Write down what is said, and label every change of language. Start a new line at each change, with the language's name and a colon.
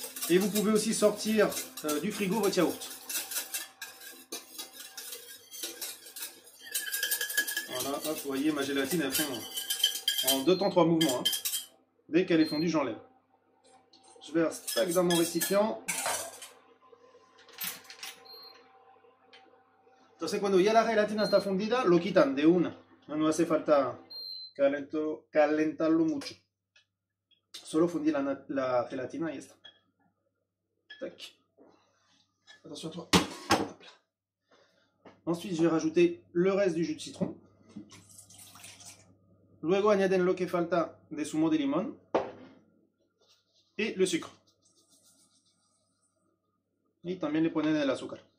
French: Et vous pouvez aussi sortir du frigo votre yaourt. Voilà, hop, vous voyez, ma gélatine, elle fond en deux temps, trois mouvements. Hein. Dès qu'elle est fondue, j'enlève. Je verse tac dans mon récipient.
Spanish: Entonces, cuando ya la gelatina está fundida, lo quitan de una. No hace falta calentarlo mucho. Solo fundir la gelatina y está. Tac.
French: Attention à toi. Hop là. Ensuite, je vais rajouter le reste du jus de citron.
Spanish: Luego añaden lo que falta de zumo de limón.
French: et le sucre.
Spanish: Y también le ponen el azúcar.